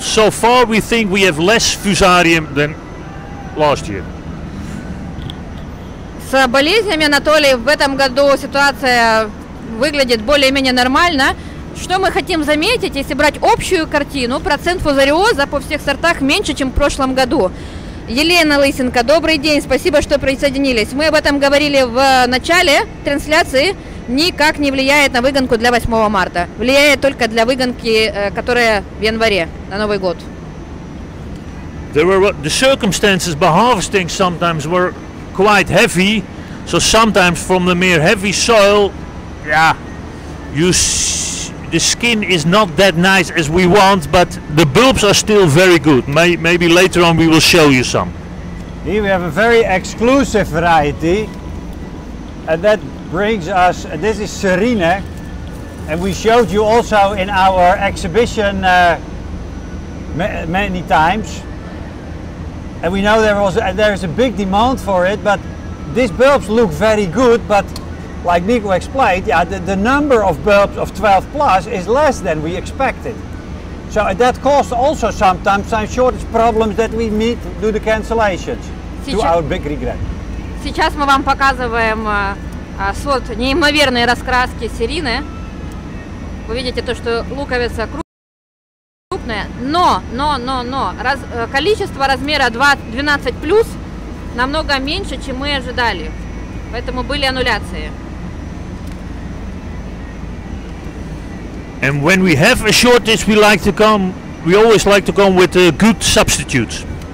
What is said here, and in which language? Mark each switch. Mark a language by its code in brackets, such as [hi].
[en] So far we think we have less fusarium than last year. [ru] С болезнями, Анатолий, в этом году ситуация выглядит более-менее нормально. Что мы хотим заметить, если брать общую картину, процент фузариоза по всех сортах меньше, чем в прошлом году. Елена Лысенко, добрый день, спасибо, что присоединились. Мы об этом говорили в начале трансляции. Никак не влияет на выгонку для 8 марта. Влияет только для выгонки, которая в январе, на Новый год. [en] The circumstances by harvesting sometimes were quite heavy, so sometimes from the mere heavy soil, yeah, the skin is not that nice as we want, but the bulbs are still very good. Maybe later on we will show you some. Here we have a very exclusive variety, and that brings us, this is Serene, and we showed you also in our exhibition many times. And we know there is a big demand for it, but these bulbs look very good, but like Nico explained, yeah, the number of bulbs of 12 plus is less than we expected. So that caused also sometimes some shortage problems that we meet due to cancellations, to our big regret. [ru] Сейчас мы вам показываем сорт неимоверной раскраски серины. Вы видите то, что луковица крупная, но количество размера 12 плюс намного меньше, чем мы ожидали. Поэтому были аннуляции. [en] And when we have a shortage, we always like to come with good substitutes.